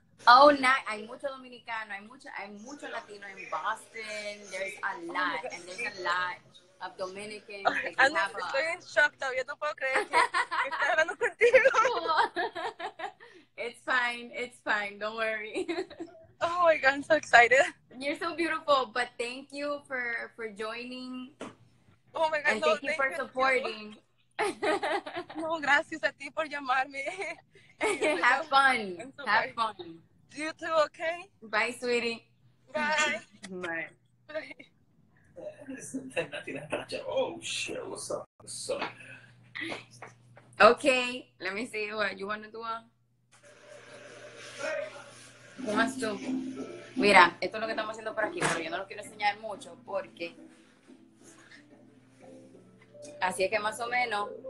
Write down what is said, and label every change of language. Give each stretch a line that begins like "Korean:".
Spanish: Oh, nah, hay mucho dominicano, hay mucho latino en Boston,
English: there's a lot, and there's a lot Dominican.
Spanish: Ana, estoy en shock, todavía no puedo creer que estoy hablando contigo.
English: It's fine, don't worry. Oh my God, I'm so excited. You're so beautiful, but thank you for joining. Oh my God, and no, thank you for supporting.
Spanish: No, gracias a ti por llamarme.
English: Have fun. So have fun. You too, okay? Bye, sweetie. Bye. Bye. Oh shit, what's up? What's up? Okay, let me see what you want to do.
Spanish: ¿Cómo estás tú? Mira, esto es lo que estamos haciendo por aquí, pero yo no lo quiero enseñar mucho porque así es que más o menos.